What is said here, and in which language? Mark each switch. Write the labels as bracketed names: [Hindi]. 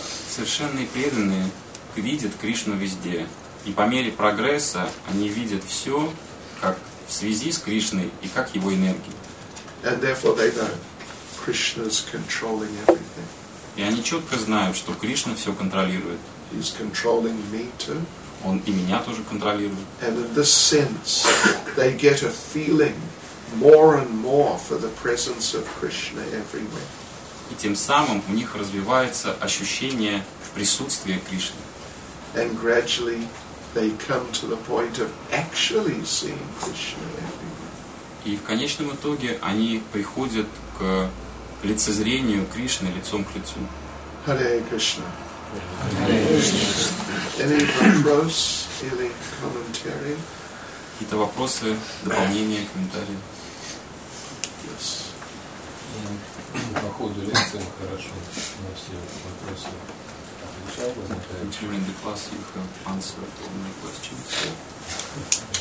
[Russian] Совершенные преданные видят Кришну везде, и по мере прогресса они видят все как в связи с Кришной и как его энергией. [English] And therefore they know Krishna's controlling everything. [Russian] И они четко знают, что Кришна все контролирует. [English] He's controlling me too. [Russian] Он и меня тоже контролирует. [English] And in this sense, they get a feeling more and more for the presence of Krishna everywhere. [Russian] И тем самым у них развивается ощущение присутствия Кришны. [English] And gradually they come to the point of actually seeing Krishna everywhere. [Russian] И в конечном итоге они приходят к лицезрению Кришны лицом к лицу. [Sanskrit] Hare Krishna. Hare Krishna. [English] Any [Russian] вопрос или комментарий? Какие-то вопросы, дополнения, комментарии? [English] Yes. [Russian] По ходу лекции хорошо на все вопросы отвечал. [English] During the class you have answered all my questions.